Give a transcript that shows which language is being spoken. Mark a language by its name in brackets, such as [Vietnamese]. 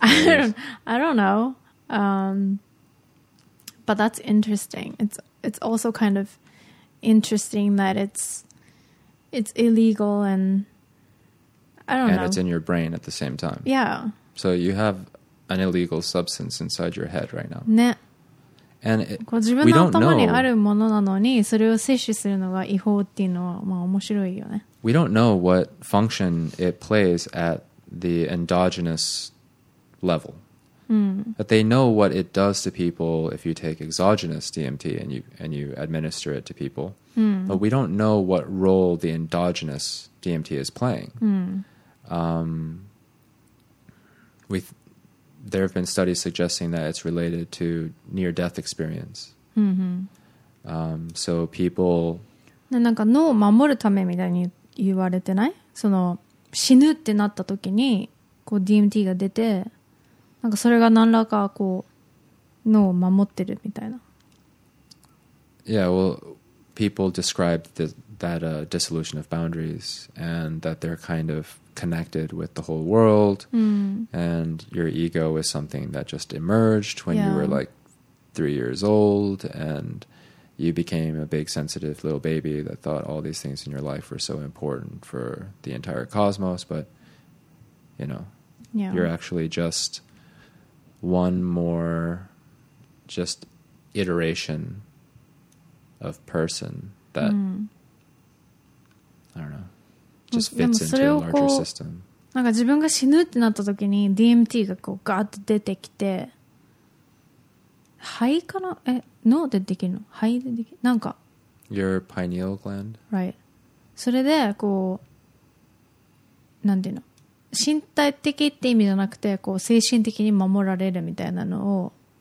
[English] I don't know. But that's interesting. It's also kind of interesting that it's illegal and I don't know. And it's in your brain at the same time. Yeah. So you have an illegal substance inside your head right now. [Japanese] ね。 [English] And it, we don't know. [Japanese] 自分の頭にあるものなのに、それを摂取するのが違法っていうのは、まあ面白いよね。 [English] We don't know what function it plays at the endogenous level. But they know what it does to people if you take exogenous DMT and you administer it to people. Mm. But we don't know what role the endogenous DMT is playing. Mm. There have been studies suggesting that it's related to near-death experience. Mm-hmm. So people... [Japanese] なんか脳を守るためみたいに言われてない?その死ぬってなった時にこう DMT が出て、なんかそれが何らかこう脳を守ってるみたいな。 [English] Yeah, well, people describe that dissolution of boundaries and that they're kind of connected with the whole world, and your ego is something that just emerged when you were like 3 years old and you became a big sensitive little baby that thought all these things in your life were so important for the entire cosmos, but you know, you're actually just one more just iteration of person that I don't know just fits into a larger system. [Japanese] なんか自分が死ぬってなった時に DMT がこうガーッと出てきて、肺かな、え、脳でできるの、肺でできる、なんか [English] your pineal gland, right? [Japanese] それでこうなんていうの、身体的って意味じゃなくて、こう精神的に守られるみたいなのを